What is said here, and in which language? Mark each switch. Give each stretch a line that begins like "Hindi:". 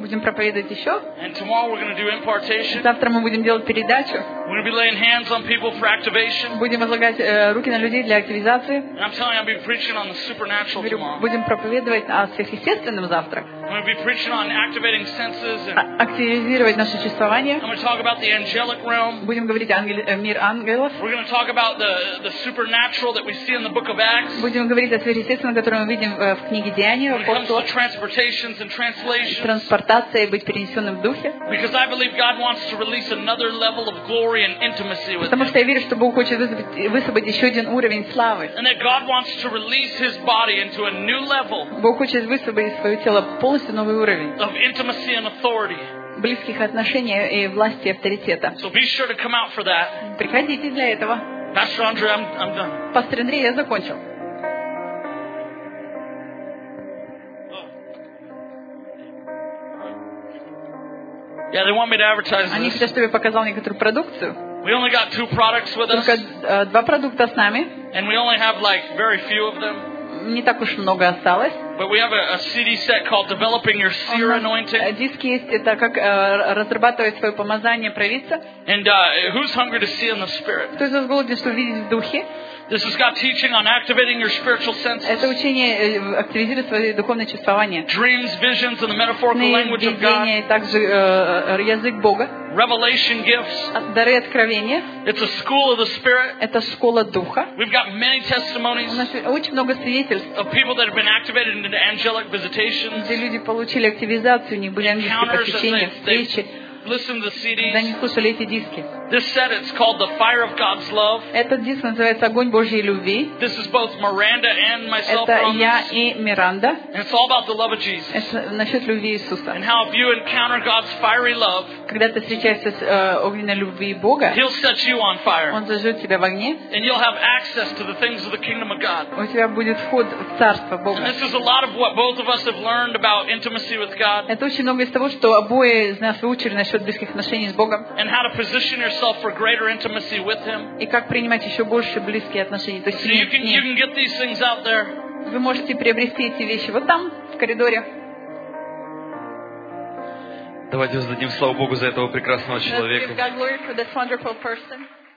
Russian: Будем проповедовать еще.
English: And tomorrow we're going to do impartation.
Russian: Завтра мы будем делать передачу.
English: We're going to be laying hands on people for activation.
Russian: Будем возлагать руки на людей для активизации.
English: And I'm telling you, I'll be preaching on the supernatural tomorrow.
Russian: Будем проповедовать о сверхъестественном завтра.
English: We're going to be preaching on activating senses and
Russian: активизировать наше чувствование.
English: I'm going to talk about the angelic realm.
Russian: Будем говорить мир ангелов.
English: We're going to talk about the supernatural that we see in the book of Acts.
Russian: Будем говорить о сверхъестественном, которое мы видим в книге Деяний.
English: When it comes to transportations and translations.
Russian: Транспортация и быть перенесенным в духе.
English: Because I believe God wants to release another level of glory and intimacy with.
Russian: Потому что я верю, что Бог хочет высвободить еще один уровень славы.
English: And that God wants to release His body into a new level.
Russian: Бог хочет высвободить свое тело полностью новый уровень.
English: Of intimacy and authority.
Russian: Близких отношений и власти и авторитета.
English: So be sure to come out for that.
Russian: Приходите для этого.
English: Pastor Andre, I'm done.
Russian: Пастор Андрей, я закончил.
English: Yeah, they want me to advertise.
Russian: Они хотят, чтобы я показал некоторую продукцию.
English: We only got two products with us.
Russian: Только два продукта с нами.
English: And we only have like very few of them.
Russian: Не так уж много осталось.
English: But we have a CD set called Developing Your Seer Anointing.
Russian: Диски есть, это как разрабатывать свое помазание, провидца.
English: And who's hungry to see in the spirit?
Russian: Кто из вас голоден, чтобы видеть в духе?
English: This has got teaching on activating your spiritual senses.
Russian: Это учение активизирует свое духовное чувствование.
English: Dreams, visions, and the metaphorical language of God.
Russian: Видения и также язык Бога.
English: Revelation gifts.
Russian: Дары откровения.
English: It's a school of the spirit.
Russian: Это школа духа.
English: We've got many testimonies.
Russian: У нас очень много свидетельств.
English: Of people that have been activated into angelic visitations.
Russian: Где люди получили активизацию, у них были ангельские посещения, встречи.
English: Listen to the CDs.
Russian: Да, не слушали эти диски.
English: This set is called The Fire of God's Love.
Russian: Этот диск называется Огонь Божьей любви.
English: This is both Miranda and myself.
Russian: Это я и Миранда.
English: And it's all about the love of Jesus.
Russian: Это насчет любви Иисуса.
English: And how if you encounter God's fiery love.
Russian: Когда ты встречаешься с огненной любви Бога.
English: He'll set you on fire.
Russian: Он зажжет тебя в огне.
English: And you'll have access to the things of the kingdom of God.
Russian: У тебя будет вход в царство Бога.
English: And this is a lot of what both of us have learned about intimacy with God.
Russian: Это очень много из того, что обои из нас выучили насчет близких отношений с Богом.
English: And how to position yourself. For greater intimacy with him.
Russian: И как принимать еще больше близкие отношения, то есть семья.
English: You can get these things out there.
Russian: Вы можете приобрести эти вещи вот там, в коридоре. Давайте воздадим славу Богу за этого прекрасного человека.
English: Let's give God glory for this wonderful person.